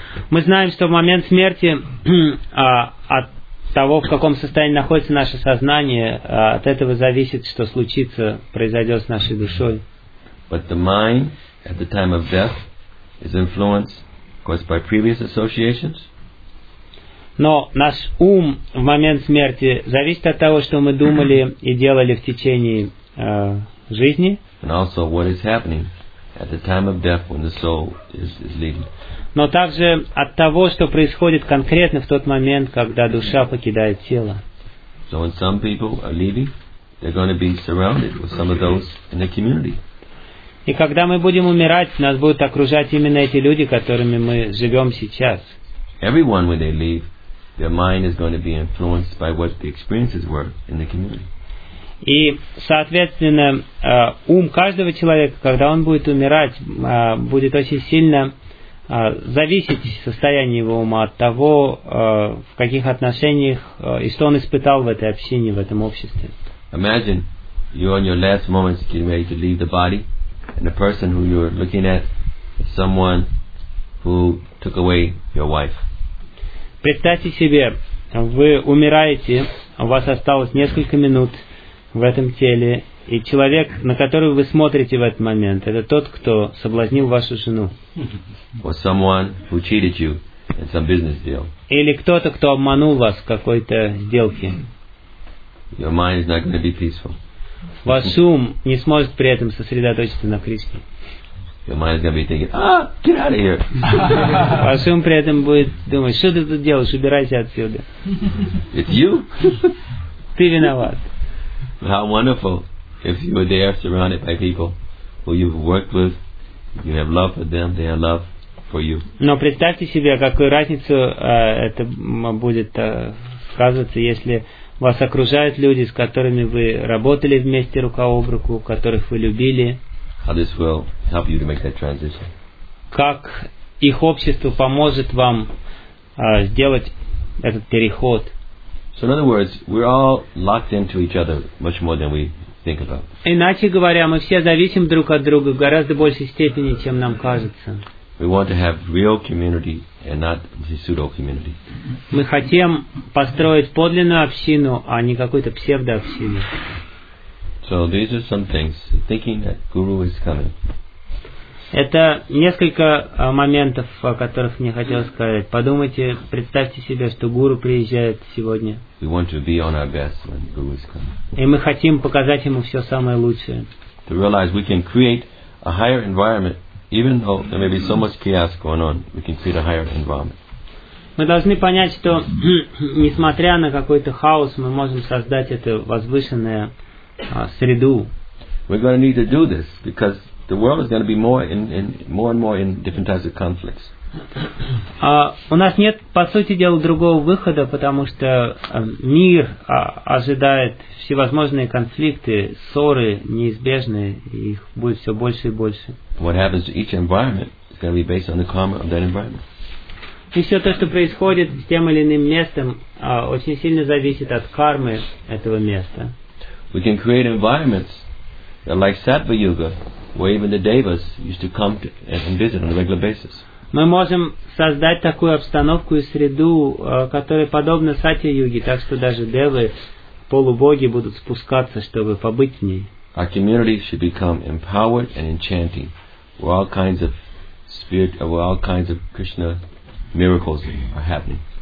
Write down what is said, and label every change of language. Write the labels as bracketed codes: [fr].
[ru] Мы знаем, что в момент смерти от того, в каком состоянии находится наше сознание, от этого зависит, что случится, произойдет с нашей душой. [en] But the mind at the time of death is influenced caused by previous associations. [ru] Но наш ум в момент смерти зависит от того, что мы думали и делали в течение жизни. [en] And also what is happening at the time of death when the soul is leaving. [ru] Но также от того, что происходит конкретно в тот момент, когда душа покидает тело. [en] So when some people are leaving, they're going to be surrounded with some of those in the community. [ru] И когда мы будем умирать, нас будут окружать именно эти люди, которыми мы живем сейчас. [en] Everyone, when they leave, their mind is going to be influenced by what the experiences were in the community. [ru] И, соответственно, ум каждого человека, когда он будет умирать, будет очень сильно зависеть состояние его ума от того, в каких отношениях и что он испытал в этой общине, в этом обществе. [en] Imagine you on your last moments getting ready to leave the body. And the person who you're looking at is someone who took away your wife. [ru] Представьте себе, вы умираете, у вас осталось несколько минут в этом теле, и человек, на которого вы смотрите в этот момент, это тот, кто соблазнил вашу жену. [en] Or someone who cheated you in some business deal. [ru] Или кто-то, кто обманул вас в какой-то сделке. [en] Your mind is not going to be peaceful. [ru] Ваш ум не сможет при этом сосредоточиться на Кришне. [en] Your mind is going to be thinking, ah, get out of here. [ru] Ваш ум при этом будет думать, что ты тут делаешь, убирайся отсюда. [en] It's you. [ru] Ты виноват. [en] How wonderful if you were there surrounded by people who you've worked with, you have love for them, they have love for you. [ru] Но представьте себе, какую разницу это будет сказываться, если вас окружают люди, с которыми вы работали вместе рука об руку, которых вы любили. [en] How this will help you to make that transition. [ru] Как их общество поможет вам сделать этот переход. [en] So in other words, we're all locked into each other much more than we think about. [ru] Иначе говоря, мы все зависим друг от друга в гораздо большей степени, чем нам кажется. [en] We want to have real community and not the pseudo community. [ru] Мы хотим построить подлинную общину, а не какую-то псевдообщину. [en] So these are some things. Thinking that Guru is coming. [ru] Это несколько моментов, о которых мне хотелось сказать. Подумайте, представьте себе, что Гуру приезжает сегодня. [en] We want to be on our best when Guru is coming. [ru] И мы хотим показать ему все самое лучшее. [en] To realize we can create a higher environment. Even though there may be so much chaos going on, we can create a higher environment. [ru] Мы должны понять, что несмотря на какой-то хаос, мы можем создать эту возвышенную среду. [en] We're going to need to do this because the world is going to be more and more in different types of conflicts. [ru] У нас нет, по сути дела, другого выхода, потому что мир ожидает всевозможные конфликты, ссоры неизбежные, их будет все больше и больше. [en] What happens to each environment is going to be based on the karma of that environment. [ru] И все то, что происходит с тем или иным местом, очень сильно зависит от кармы этого места. [en] We can create environments that are like Sattva Yuga, where even the devas used to come and visit on a regular basis. [ru] Мы можем создать такую обстановку и среду, которая подобна сати-юге, так что даже девы, полубоги будут спускаться, чтобы побыть в ней. [en] Our community should become empowered and enchanting where all kinds of spirit, where all kinds of Krishna miracles are happening.